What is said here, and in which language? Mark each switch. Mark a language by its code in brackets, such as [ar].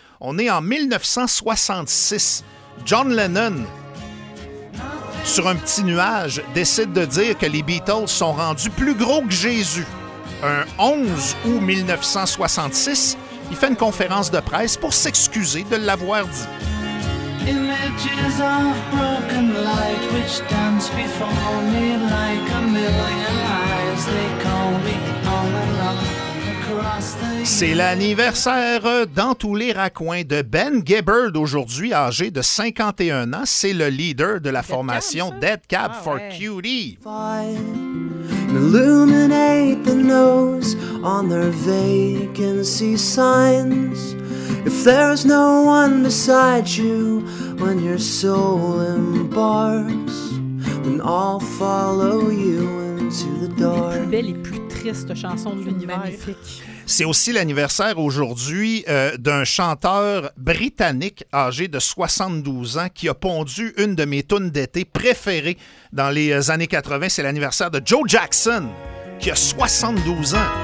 [fr] On est en 1966. John Lennon, sur un petit nuage, décide de dire que les Beatles sont rendus plus gros que Jésus. Un 11 août 1966, il fait une conférence de presse pour s'excuser de l'avoir dit. [en] Images of broken light which dance before me like a million eyes. They call me on and on. [fr] C'est l'anniversaire dans tous les raccoins de Ben Gibbard aujourd'hui, âgé de 51 ans. C'est le leader de la formation Dead Cab for Cutie. [en] Illuminate the nose on their vacancy signs. If there's no one beside you when your soul embarks, then I'll follow you into the dark. [fr] Les plus belles et plus tristes chansons de l'univers. Magnifique. C'est aussi l'anniversaire aujourd'hui d'un chanteur britannique âgé de 72 ans qui a pondu une de mes tunes d'été préférées dans les années 80. C'est l'anniversaire de Joe Jackson, qui a 72 ans.